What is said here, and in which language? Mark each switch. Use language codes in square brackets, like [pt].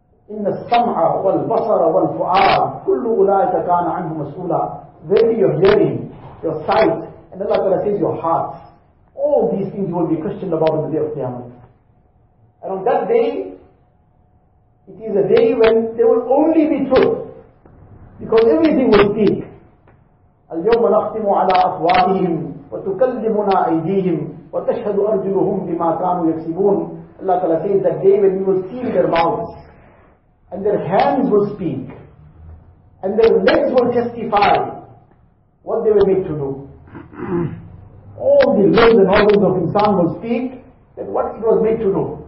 [ar] إِنَّ السَّمْعَ وَالْبَصَرَ وَالْفُعَارَ كُلُّ أُولَٰئِكَ كَانَ عَنْهُ مَسْئُولًا. [en] Very your hearing, your sight, and Allah Ta'ala says your heart. all these things you will be questioned about on the day of Qiyamah. And on that day, it is a day when there will only be truth, because everything will speak. [ar] اليوم نختم على أفواههم وتكلمنا أيديهم وتشهد أرجلهم بما كانوا يكسبون. [en] Allah Ta'ala says that day when you will seal their mouths and their hands will speak and their legs will testify what they were made to do. All the limbs and organs of insan will speak that what it was made to do.